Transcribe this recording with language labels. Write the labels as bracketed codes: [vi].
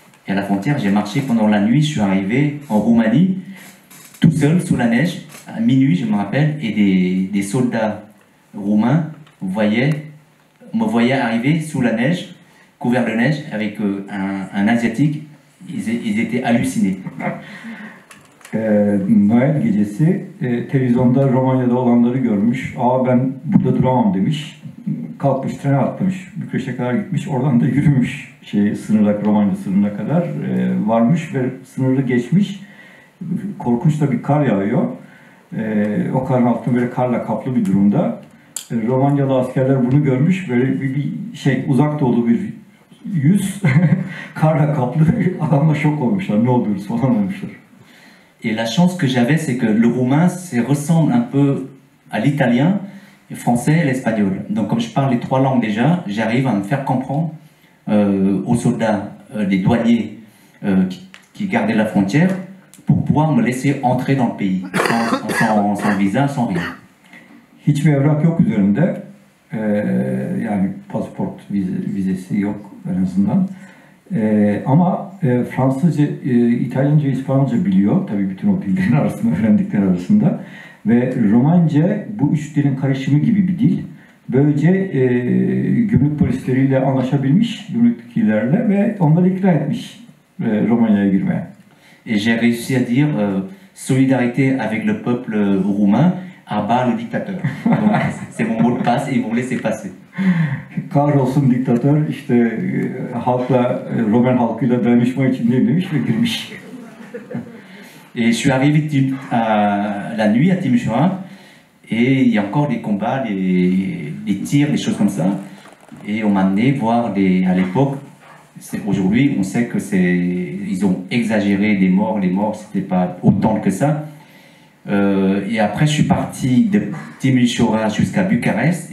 [fr] Et à la frontière, j'ai marché pendant la nuit, je suis arrivé en Roumanie, tout seul, sous la neige, à minuit, je me rappelle, et des soldats roumains me voyaient arriver sous la neige, couvert de neige, avec un Asiatique, ils étaient hallucinés. [tr] Noël gecesi, televizyonda Romanya'da olanları görmüş, aa ben burada duramam demiş, kalkmış, trene atlamış, Bükreş'e kadar gitmiş, oradan da yürümüş. Sınırla, Romanya sınırına kadar varmış ve sınırı geçmiş. Korkunç da bir kar yağıyor. O karın altında böyle karla kaplı bir durumda. Romanyalı askerler bunu görmüş. Böyle bir uzak doğulu bir yüz karla kaplı. Adamlar şok olmuşlar. Ne oluyoruz falan olmuşlar. [fr] Et la chance que j'avais c'est que le roumain se ressemble un peu à l'italien, français et l'espagnol. Donc comme je parle les trois langues déjà, j'arrive à me faire comprendre. Aux soldats, des douaniers qui gardaient la frontière pour pouvoir me laisser entrer dans le pays sans visa, sans rien. [tr] Hiçbir evrak yok üzerinde, yani pasaport vizesi yok en azından. Ama Fransızca, İtalyanca, İspanyolca biliyor tabii bütün o dillerin arasında öğrendikler arasında ve Romanca bu üç dilin karışımı gibi bir dil. Böylece gümrük polisleriyle anlaşabilmiş, gümrüklerle ve onları ikna etmiş Romanya'ya girmeye. [fr] Et j'ai réussi à dire solidarité avec le peuple roumain, abat le dictateur. C'est mon mot de passe, ils m'ont laissé passer. [tr] Kahrolsun diktatör, işte halkla, Roman halkıyla dayanışma için ne demiş ve girmiş. [fr] Et je suis arrivé à la nuit à Timișoara. Et il y a encore des combats, des tirs, des choses comme ça. Et on m'a amené voir à l'époque, aujourd'hui, on sait que ils ont exagéré des morts. Les morts, c'était pas autant que ça. Et après, je suis parti de Timișoara jusqu'à Bucarest.